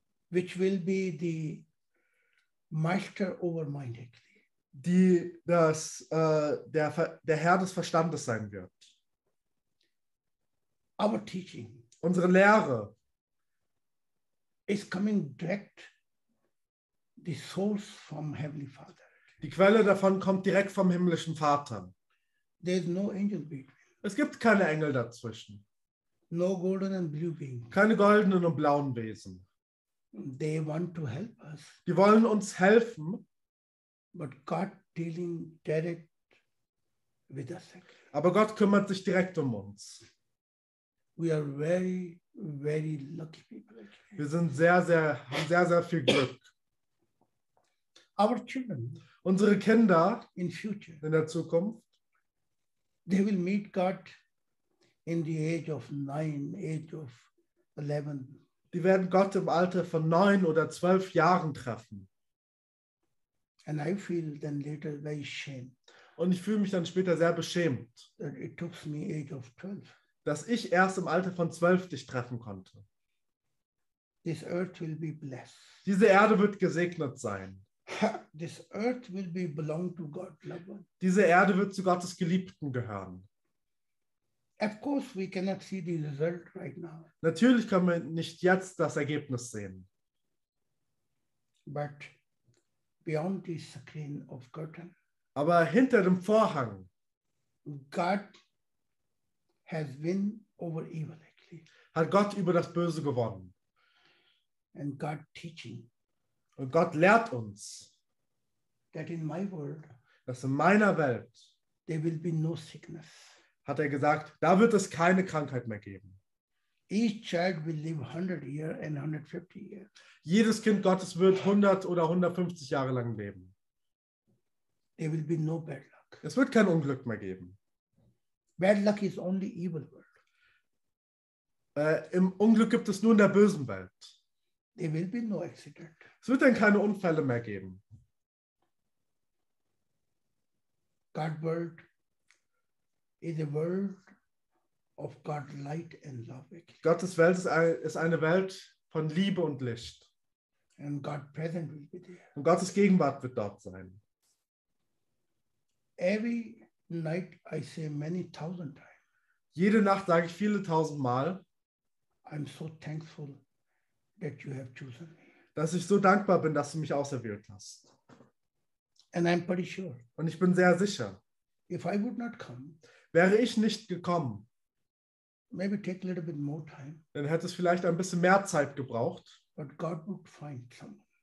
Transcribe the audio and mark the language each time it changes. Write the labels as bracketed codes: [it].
[en] which will be the master over mind, actually. [de] Die das der Herr des Verstandes sein wird. [en] Our teaching. [de] Unsere Lehre. [en] Is coming direct the source from Heavenly Father. [de] Die Quelle davon kommt direkt vom himmlischen Vater. [en] There is no angel between. [de] Es gibt keine Engel dazwischen. [en] No golden and blue being. [de] Keine goldenen und blauen Wesen. [en] They want to help us. [de] Die wollen uns helfen. [en] But God dealing direct with us. [de] Aber Gott kümmert sich direkt um uns. [en] We are very, very lucky people. [de] Wir sind sehr, sehr, haben sehr, sehr viel Glück. [en] Our children. [de] Unsere Kinder. [en] In future. [de] In der Zukunft. [en] They will meet God in the age of 9, age of 11. [de] Die werden Gott im Alter von 9 oder 12 Jahren treffen. [en] And I feel then later very shame. [de] Und ich fühle mich dann später sehr beschämt. [en] That it took me age of 12. [de] Dass ich erst im Alter von 12 dich treffen konnte. [en] This earth will be blessed. [de] Diese Erde wird gesegnet sein. [en] This earth will be belong to God, love. [de] Diese Erde wird zu Gottes Geliebten gehören. [en] Of course we cannot see the result right now. [de] Natürlich können wir nicht jetzt das Ergebnis sehen. [en] But beyond the screen of curtain. [de] Aber hinter dem Vorhang. [en] God has won over evil, actually. [de] Hat Gott über das Böse gewonnen. [en] And God teaching. [de] Und Gott lehrt uns, [en] that in my world, [de] dass in meiner Welt, [en] there will be no sickness. [de] Hat er gesagt, da wird es keine Krankheit mehr geben. [en] Each child will live 100 years and 150 years. [de] Jedes Kind Gottes wird 100 oder 150 Jahre lang leben. [en] There will be no bad luck. [de] Es wird kein Unglück mehr geben. [en] Bad luck is only evil world. [de] Im Unglück gibt es nur in der bösen Welt. [en] There will be no accident. [de] Es wird dann keine Unfälle mehr geben. [en] God world is a world of God light and love. [de] Gottes Welt ist eine Welt von Liebe und Licht. [en] And God present will be there. [de] Und Gottes Gegenwart wird dort sein. [en] Every night I say many thousand times. [de] Jede Nacht sage ich viele tausend Mal. [en] I'm so thankful that you have chosen me. [de] Dass ich so dankbar bin, dass du mich auserwählt hast. [en] And I'm pretty sure. [de] Und ich bin sehr sicher. [en] If I would not come, [de] wäre ich nicht gekommen, [en] maybe take a little bit more time, [de] dann hätte es vielleicht ein bisschen mehr Zeit gebraucht. [en] But God would find someone.